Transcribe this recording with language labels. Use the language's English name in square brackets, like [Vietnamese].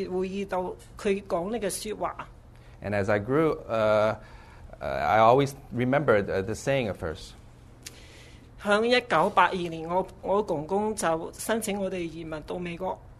[Chinese] 我見到她每,即是我越大的時候,我就越會意到她講這句話。 [English] And as I grew, I always remembered the saying of hers. [Chinese] 在1982年,我公公就申請我們移民到美國。